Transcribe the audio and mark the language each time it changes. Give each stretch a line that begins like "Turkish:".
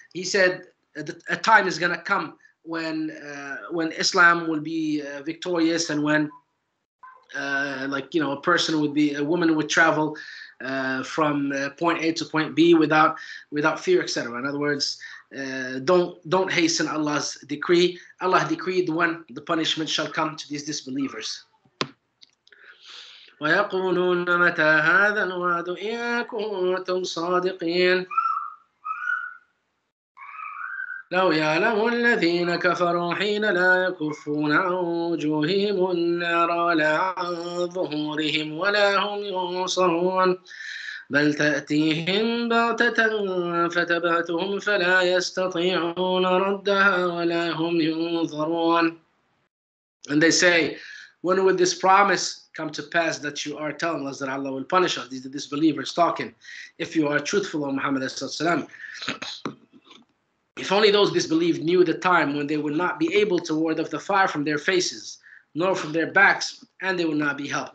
English: He said, "A time is gonna come when Islam will be victorious, and when, a person would be a woman would travel from point A to point B without fear, etc." In other words, don't hasten Allah's decree. Allah decreed when the punishment shall come to these disbelievers.
Arabic: ويقولون متى هذا الوعد إن كنتم صادقين لو يعلم الذين كفروا حين لا يكفون عن وجوههم النار ولا عن ظهورهم ولا هم ينصرون بل تأتيهم بغتة فتبهتهم فلا يستطيعون ردها ولا هم ينظرون.
English: And they say, "When will this promise come to pass that you are telling us that Allah will punish us?" These are the disbelievers talking. "If you are truthful, O Muhammad, if only those disbelieved knew the time when they would not be able to ward off the fire from their faces, nor from their backs, and they will not be helped."